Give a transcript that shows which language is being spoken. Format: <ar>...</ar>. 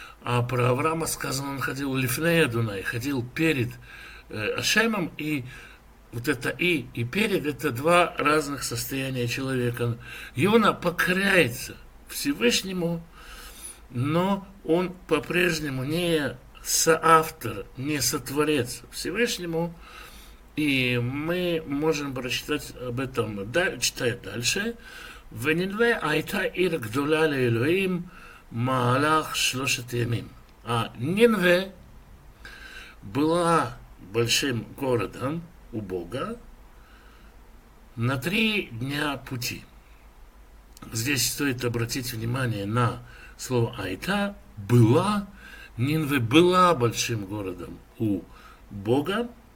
<ru>А про Авраама сказано, он ходил</ru> <he>лифней Адунай,</he> <ru>ходил перед Ашемом, и вот это и перед — это два разных состояния человека. Иона покоряется Всевышнему, но он по-прежнему не соавтор, не сотворец Всевышнему, и мы можем прочитать об этом, читая дальше,</ru> <he>ונינווה הייתה עיר גדולה לאלוהים מהלך שלושת ימים.</he> <ru>נינווה была большим городом у Бога на три дня пути. Здесь стоит обратить внимание на слово «айта» – «была». Нинве была большим городом у Бога.</ru>